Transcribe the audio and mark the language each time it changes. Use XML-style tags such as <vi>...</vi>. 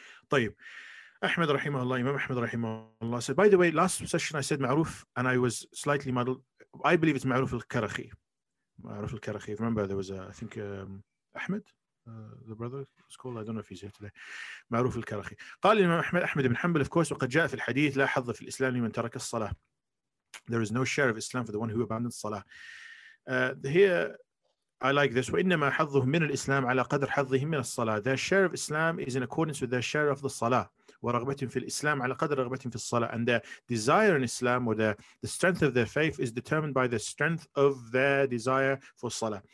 <ar>طيب أحمد رحمه الله</ar> <en>إمام أحمد رحمه الله said, by the way, last session I said معروف and I was slightly muddled. I believe it's معروف الكرخي.</en> <ar>معروف الكرخي.</ar> <en>Remember there was a, I think أحمد the brother is called, I don't know if he's here today.</en> <ar>معروف الكرخي. قال الإمام أحمد أحمد بن حنبل</ar> <en>of course</en> <ar>وقد جاء في الحديث لا حظ في الإسلام لمن ترك الصلاة.</ar> <en>There is no share of Islam for the one who abandons salah. Here, I like this.</en> <ar>وَإِنَّمَا حَظُّهُ مِنَ الْإِسْلَامِ عَلَى قَدْرْ حَظِّهِمْ مِنَ الصَّلَاةِ.</ar> <en>Their share of Islam is in accordance with their share of the salah.</en> <ar>وَرَغْبَةٍ فِي الْإِسْلَامِ عَلَى قَدْرْ رَغْبَةٍ فِي الصَّلَاةِ.</ar> <en>And their desire in Islam or the strength of their faith is determined by the strength of their desire for salah.</en>